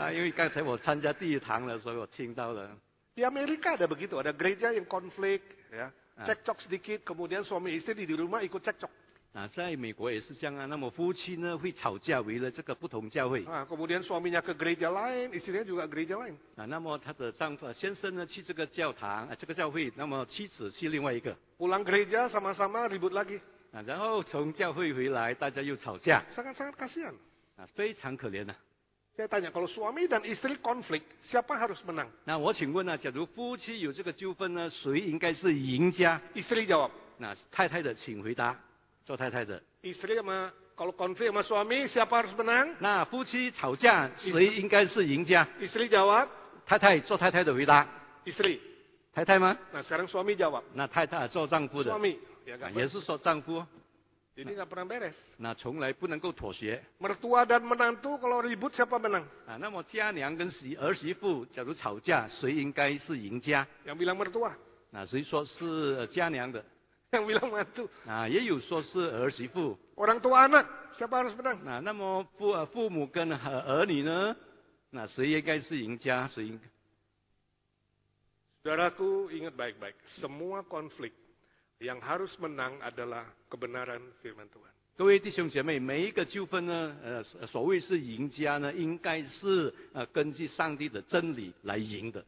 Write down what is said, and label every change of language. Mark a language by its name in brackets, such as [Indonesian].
[Indonesian] Karena saya [Chinese] 参加第一堂的时候，我听到了。 [Indonesian] Di Amerika ada begitu, ada gereja yang konflik, ya. Cekcok sedikit, kemudian suami istri di rumah ikut cekcok. [Chinese] Nah, 在美国也是这样啊，那么夫妻呢会吵架，为了这个不同教会。 [Indonesian] Ah, kemudian suaminya ke gereja lain, istrinya juga gereja lain. [Chinese] Nah, 那么他的丈夫先生呢去这个教堂，这个教会，那么妻子去另外一个。 [Indonesian] Pulang gereja sama-sama ribut lagi. [Chinese] Nah, 然后从教会回来，大家又吵架。 [Indonesian] Sangat-sangat kasihan. [Chinese] Nah, 非常可怜啊。 [Indonesian] Saya tanya, kalau suami dan istri konflik, siapa harus menang? [Chinese] Nah, 我请问啊, 假如夫妻有这个纠纷呢, 谁应该是赢家? [Indonesian] Istri jawab. [Chinese] Nah, 太太的请回答, 做太太的。 [Indonesian] Istri sama, kalau konflik sama suami, siapa harus menang? [Chinese] Nah, 夫妻吵架, 谁应该是赢家? [Indonesian] Istri jawab. [Chinese] 太太, 做太太的回答。 [Indonesian] Istri. [Chinese] 太太吗? [Indonesian] Nah, sekarang suami jawab. [Chinese] Nah, 太太, 做丈夫的。 [Indonesian] Suami. [Chinese] 也是说丈夫。 [Indonesian] Jadi nggak pernah beres. [Chinese] Nah, 从来不能够妥协. [Indonesian] Mertua dan menantu kalau ribut siapa menang? [Chinese] Nah, 那么家娘跟儿媳妇, 假如吵架, 谁应该是赢家? [Indonesian] Yang bilang mertua. [Chinese] Nah, 谁说是家娘的? [Indonesian] Yang bilang mertu. [Chinese] Nah, 也有说是儿媳妇. [Indonesian] Orang tua anak, siapa harus menang? [Chinese] Nah, 那么父母跟儿女呢? Nah, 谁应该是赢家?谁应该? [Indonesian] Saudaraku, ingat baik-baik. Semua konflik yang harus menang adalah kebenaran firman Tuhan. [Chinese] 各位弟兄姐妹，每一个纠纷呢，所谓是赢家呢，应该是根据上帝的真理来赢的。